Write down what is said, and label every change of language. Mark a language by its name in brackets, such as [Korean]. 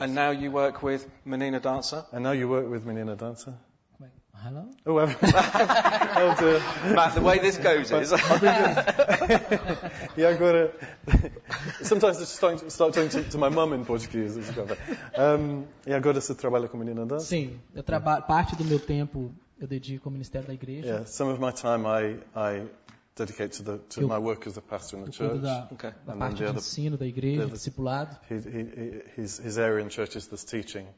[English] And now you work with Menina Dança. And now you work with Menina Dança. Hello? Oh, Matt, the way this goes is... [Portuguese] Yeah, agora... [English] Sometimes I just start talking to my mum in Portuguese. [Portuguese] E agora você trabalha com Menina Dança? Sim, eu trabalho... Parte do meu tempo eu dedico ao Ministério da Igreja. [English] Yeah, some of my time I dedicate to my work as a pastor in the church. [Portuguese] Da parte de ensino da igreja, discipulado. [English] His area in church is this teaching.